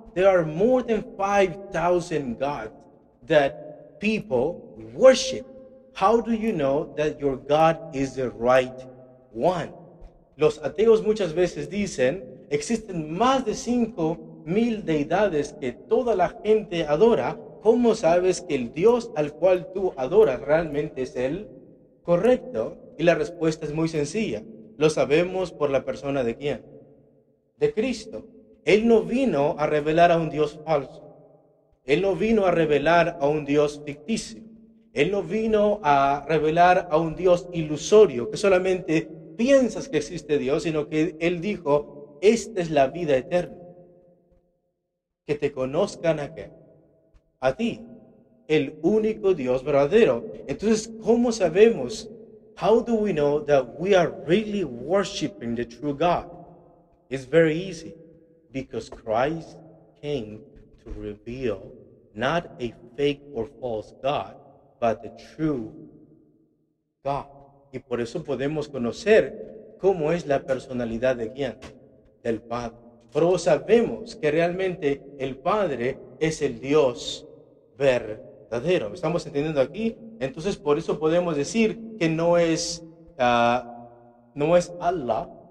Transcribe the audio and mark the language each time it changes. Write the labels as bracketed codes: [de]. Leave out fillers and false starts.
[en] There are more than 5,000 gods that people worship. How do you know that your God is the right one? [es] Los ateos muchas veces dicen, existen más de 5,000 deidades que toda la gente adora. ¿Cómo sabes que el Dios al cual tú adoras realmente es el correcto? Y la respuesta es muy sencilla. Lo sabemos por la persona de quién. De Cristo. Él no vino a revelar a un Dios falso. Él no vino a revelar a un Dios ficticio. Él no vino a revelar a un Dios ilusorio, que solamente piensas que existe Dios, sino que Él dijo, esta es la vida eterna. Que te conozcan a qué? A ti, el único Dios verdadero. Entonces, ¿cómo sabemos? [en] How do we know that we are really worshiping the true God? It's very easy. Because Christ came to reveal not a fake or false God, but the true God. [es] Y por eso podemos conocer cómo es la personalidad de quién, del Padre. Pero sabemos que realmente el Padre es el Dios verdadero. ¿Estamos entendiendo aquí? Entonces, por eso podemos decir que no es Allah.